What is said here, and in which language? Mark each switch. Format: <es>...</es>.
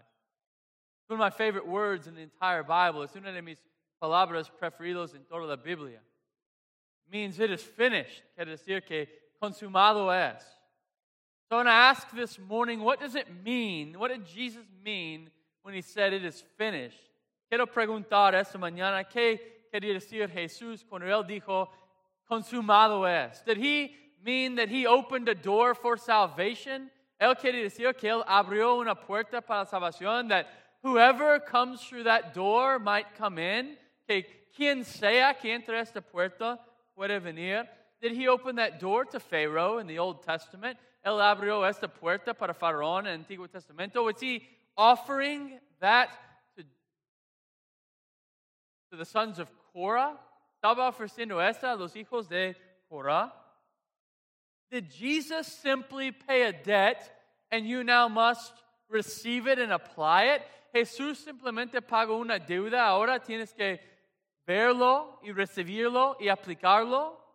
<en>It's one of my favorite words in the entire Bible.</en> <es>It's una de mis palabras preferidos en toda la Biblia.</es> <en>Means it is finished.</en> <es>Quiere decir que consumado es.</es> <en>So I want to ask this morning, what does it mean? What did Jesus mean when he said it is finished?</en> <es>Quiero preguntar esta mañana, ¿qué quería decir Jesús cuando él dijo consumado es?</es> <en>Did he mean that he opened a door for salvation?</en> <es>Él quería decir que él abrió una puerta para salvación,</es> <en>that whoever comes through that door might come in.</en> <es>Que quien sea que entre esta puerta, puede venir.</es> <en>Did he open that door to Pharaoh in the Old Testament?</en> <es>Él abrió esta puerta para Faraón en el Antiguo Testamento.</es> <en>Was he offering that to the sons of Korah?</en> <es>¿Estaba ofreciendo esta a los hijos de Korah?</es> <en>Did Jesus simply pay a debt and you now must receive it and apply it?</en> <es>Jesús simplemente pagó una deuda, ahora tienes que verlo y recibirlo y aplicarlo?</es>